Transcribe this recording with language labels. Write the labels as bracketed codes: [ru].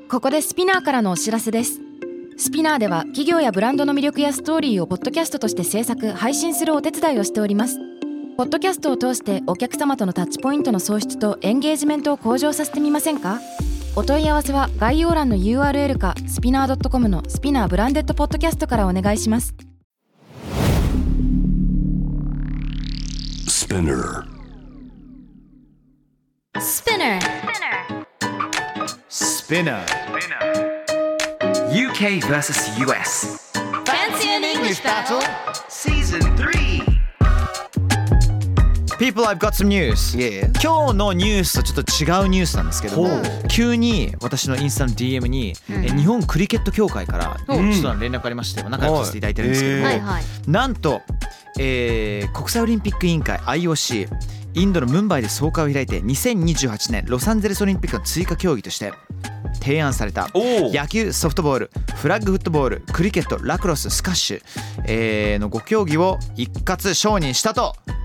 [ja] ここでスピナーからのお知らせです。スピナーでは企業やブランドの魅力やストーリーをポッドキャストとして制作配信するお手伝いをしております。ポッドキャストを通してお客様とのタッチポイントの創出とエンゲージメントを向上させてみませんか？お問い合わせは概要欄の URL かスピナー .com のスピナーブランデッドポッドキャストからお願いします。 [en] スピナースピナースピナー UK vs US Fancy an English Battle Season 3 People, I've got some news. Yeah. [ja] 今日のニュースとちょっと違うニュースなんですけども、急に私のインスタの DM に、日本クリケット協会からちょっと連絡ありまして、仲良くさせていただいてるんですけども、なんと、国際オリンピック委員会 IOC インドのムンバイで総会を開いて2028年ロサンゼルスオリンピックの追加競技として提案された野球、ソフトボール、フラッグフットボール、クリケット、ラクロス、スカッシュ、の5競技を一括承認したと。